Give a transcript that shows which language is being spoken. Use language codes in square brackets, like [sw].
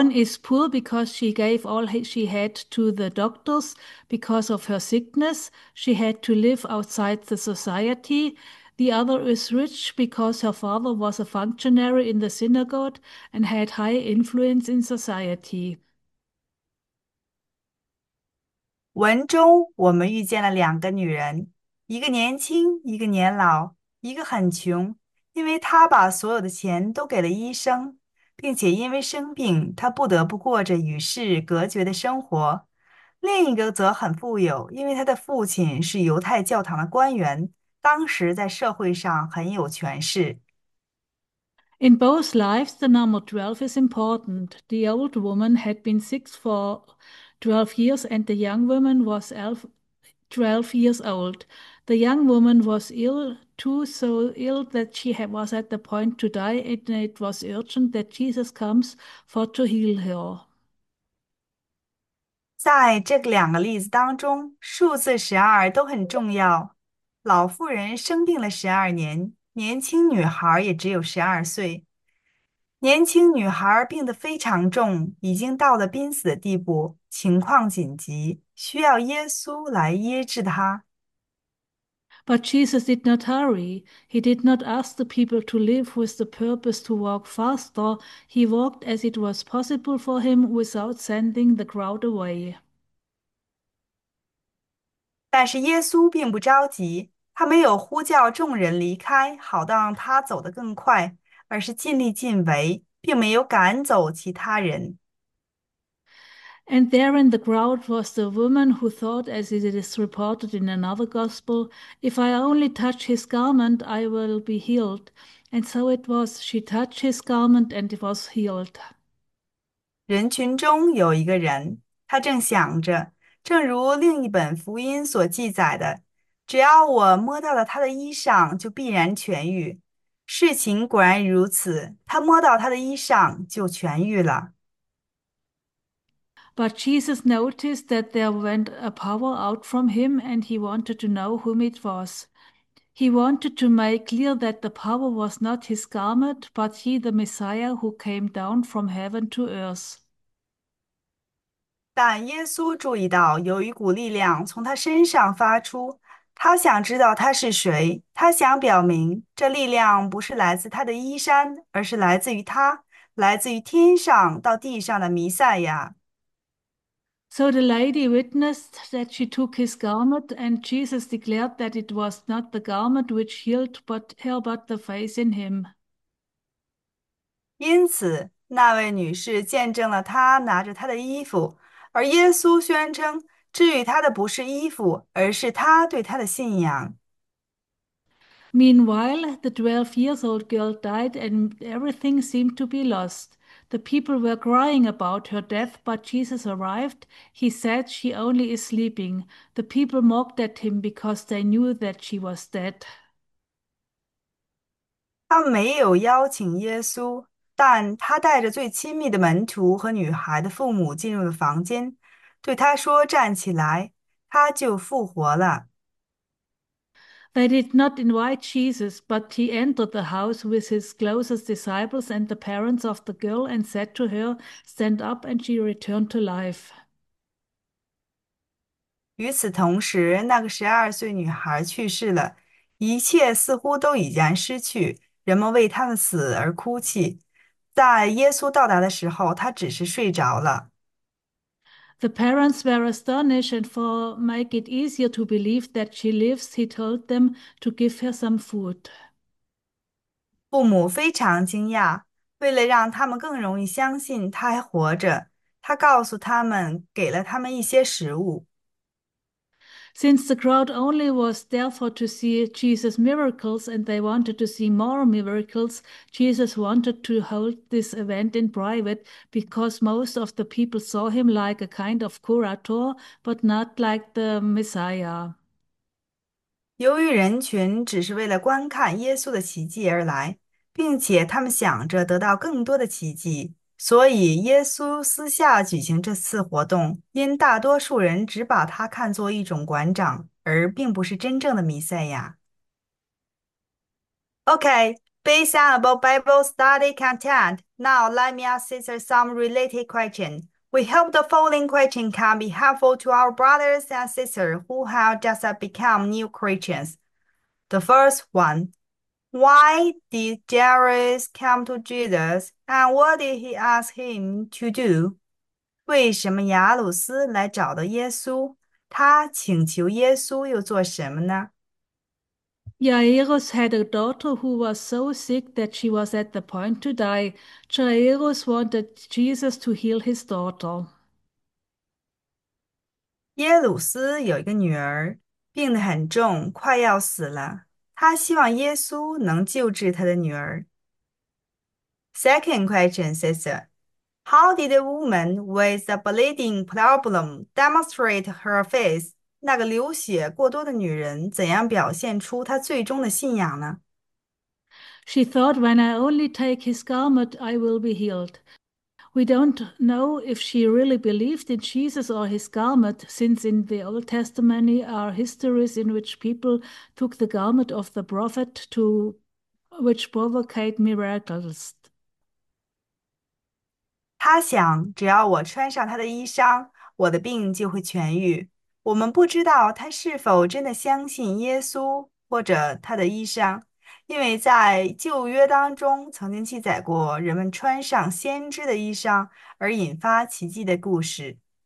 [en] One is poor because she gave all she had to the doctors because of her sickness. She had to live outside the society. The other is rich because her father was a functionary in the synagogue and had high influence in society. [zh] 文中我们遇见了两个女人，一个年轻，一个年老，一个很穷。因为她把所有的钱都给了医生，并且因为生病，她不得不过着与世隔绝的生活。另一个则很富有，因为她的父亲是犹太教堂的官员，当时在社会上很有权势。 [en] In both lives, the number 12 is important. The old woman had been sick for 12 years, and the young woman was 12 years old. The young woman was ill, too, so ill that she was at the point to die, and it was urgent that Jesus comes for to heal her. [zh] 在这两个例子当中，数字12都很重要。老妇人生病了12年，年轻女孩也只有12岁。年轻女孩病得非常重，已经到了濒死的地步，情况紧急，需要耶稣来医治她。 [en] But Jesus did not hurry. He did not ask the people to leave with the purpose to walk faster. He walked as it was possible for him without sending the crowd away. [zh] 但是耶稣并不着急，他没有呼叫众人离开，好让他走得更快，而是尽力尽为，并没有赶走其他人。 [en] And there in the crowd was the woman who thought, as it is reported in another gospel, "If I only touch his garment, I will be healed." And so it was, she touched his garment and it was healed. [zh] 人群中有一个人，他正想着。正如另一本福音所记载的，只要我摸到了他的衣裳，就必然痊愈。事情果然如此，他摸到他的衣裳就痊愈了。 [en] But Jesus noticed that there went a power out from him, and he wanted to know whom it was. He wanted to make clear that the power was not his garment, but he, the Messiah, who came down from heaven to earth. [zh] 但耶稣注意到，有一股力量从他身上发出，他想知道他是谁。他想表明，这力量不是来自他的衣衫，而是来自于他，来自于天上到地上的弥赛亚。 [en] So the lady witnessed that she took his garment, and Jesus declared that it was not the garment which healed, but held but the faith in him. [zh] 因此，那位女士见证了他拿着他的衣服，而耶稣宣称治愈他的不是衣服，而是他对他的信仰。 [en] Meanwhile, the 12-year-old girl died, and everything seemed to be lost. The people were crying about her death, but Jesus arrived. He said she only is sleeping. The people mocked at him because they knew that she was dead. [zh] 他没有邀请耶稣。但他带着最亲密的门徒和女孩的父母进入了房间，对他说：“站起来。 ”他就复活了。 [en] They did not invite Jesus, but he entered the house with his closest disciples and the parents of the girl and said to her, "Stand up," and she returned to life. [zh] 与此同时，那个12岁女孩去世了，一切似乎都已然失去，人们为她的死而哭泣。在耶稣到达的时候，他只是睡着了。 [en] The parents were astonished, and for make it easier to believe that she lives, he told them to give her some food. [zh] 父母非常惊讶，为了让他们更容易相信他还活着，他告诉他们，给了他们一些食物。 [en] Since the crowd only was there for to see Jesus' miracles and they wanted to see more miracles, Jesus wanted to hold this event in private because most of the people saw him like a kind of curator, but not like the Messiah. [zh] 由于人群只是为了观看耶稣的奇迹而来，并且他们想着得到更多的奇迹，所以耶稣私下举行这次活动，因大多数人只把他看作一种馆长，而并不是真正的弥赛亚。 [en] Okay, based on about Bible study content, now let me ask sister some related question. We hope the following question can be helpful to our brothers and sisters who have just become new Christians. The first one, why did Jairus come to Jesus and what did he ask him to do? [zh] 为什么雅鲁斯来找到耶稣？他请求耶稣又做什么呢？ [en] Jairus had a daughter who was so sick that she was at the point to die. Jairus wanted Jesus to heal his daughter. [zh] 耶鲁斯有一个女儿，病得很重，快要死了。他希望耶稣能救治他的女儿。 [en] Second question, sister, how did a woman with a bleeding problem demonstrate her faith? [zh] 那个流血过多的女人怎样表现出她最终的信仰呢？ [en] She thought, when I only take his garment, I will be healed. We don't know if she really believed in Jesus or his garment, since in the Old Testament are histories in which people took the garment of the prophet to which provocate miracles. [zh] 他想，只要我穿上他的衣裳，我的病就会痊愈。我们不知道他是否真的相信耶稣或者他的衣裳，因为在旧约当中曾经记载过人们穿上先知的衣裳而引发奇迹的故事。